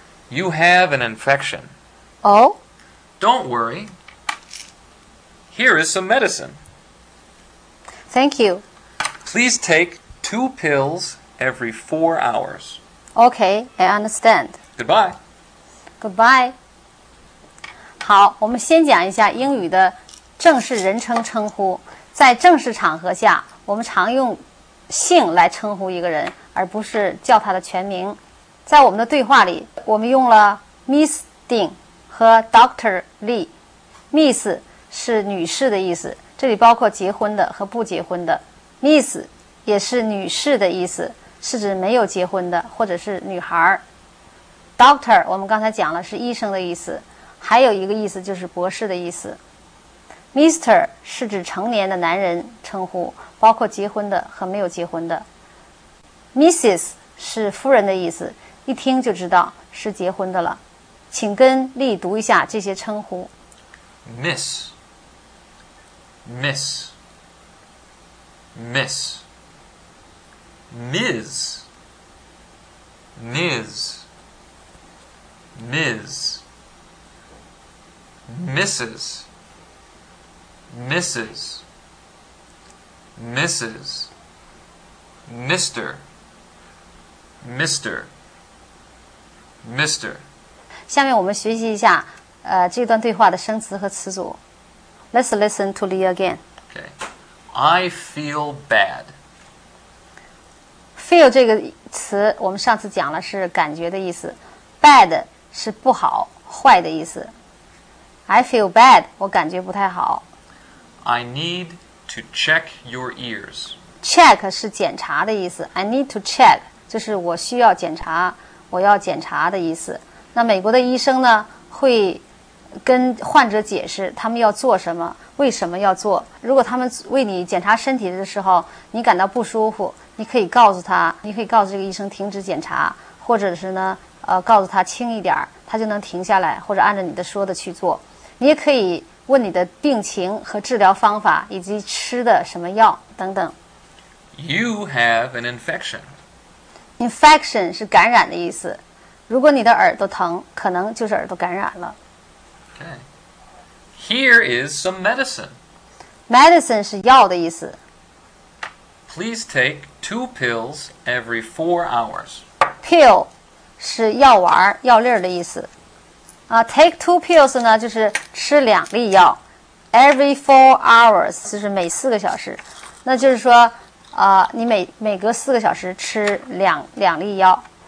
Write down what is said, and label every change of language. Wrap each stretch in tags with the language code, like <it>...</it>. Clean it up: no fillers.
<en>You have an infection. Oh? Don't worry. Here is some medicine. Thank you. Please take 2 pills every 4 hours. Okay, I understand. Goodbye. Goodbye.</en> <zh>好，我们先讲一下英语的正式人称称呼。在正式场合下，我们常用姓来称呼一个人，而不是叫他的全名。在我们的对话里，我们用了 Miss Ding 和 Dr. Lee。 Miss 是女士的意思，这里包括结婚的和不结婚的。 Miss 也是女士的意思，是指没有结婚的或者是女孩。 Doctor 我们刚才讲了是医生的意思，还有一个意思就是博士的意思。 Mr 是指成年的男人称呼，包括结婚的和没有结婚的。 Mrs 是夫人的意思，一听就知道是结婚的了。请跟丽读一下这些称呼。</zh> <en>MissMiss, Miss, Ms, Ms, Ms, Mrs, Mrs, Mrs, Mr, Mr, Mr.</en> <zh>下面我们学习一下、这段对话的生词和词组。</zh> <en>Let's listen to Lee again. Okay. I feel bad.</en> <zh>Feel 这个词我们上次讲了是感觉的意思。 Bad 是不好、坏的意思。</zh> <en>I feel bad,</en> <zh>我感觉不太好。</zh> <en>I need to check your ears.</en> <zh>Check 是检查的意思。</zh> <en>I need to check,</en> <zh>就是我需要检查、我要检查的意思。那美国的医生呢，会跟患者解释他们要做什么，为什么要做。如果他们为你检查身体的时候你感到不舒服，你可以告诉他，你可以告诉这个医生停止检查，或者是呢告诉他轻一点，他就能停下来，或者按照你的说的去做。你也可以问你的病情和治疗方法以及吃的什么药等等。</zh> <en>You have an infection.</en> <zh>Infection 是感染的意思，如果你的耳朵疼可能就是耳朵感染了。</zh> <en>Okay. Here is some medicine.</en> <zh>Medicine 是药的意思。</zh> <en>Please take 2 pills every 4 hours.</en> <zh>Pill 是药丸、药粒的意思。</zh> <en>Take 2 pills</en> <zh>呢，就是吃两粒药。</zh> <en>Every 4 hours</en> <zh>就是每四个小时。那就是说，你每隔四个小时吃两粒药。</zh>